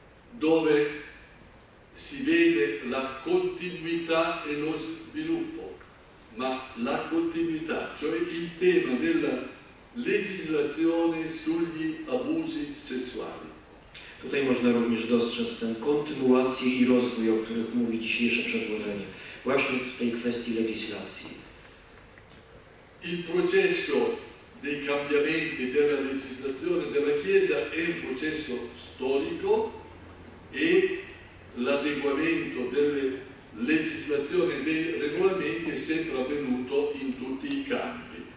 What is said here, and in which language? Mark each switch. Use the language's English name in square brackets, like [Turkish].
[Italian] Dove si vede la continuità e lo sviluppo, ma la continuità, cioè il tema della legislazione sugli abusi sessuali. [Polish] Tutaj można również dostrzec tę kontynuację i rozwój, o których mówi dzisiejsze przedłożenie, właśnie w tej kwestii legislacji. [Italian] Il processo dei cambiamenti della legislazione della Chiesa è un processo storico e l'adeguamento delle legislazioni e dei regolamenti è sempre avvenuto in tutti i campi.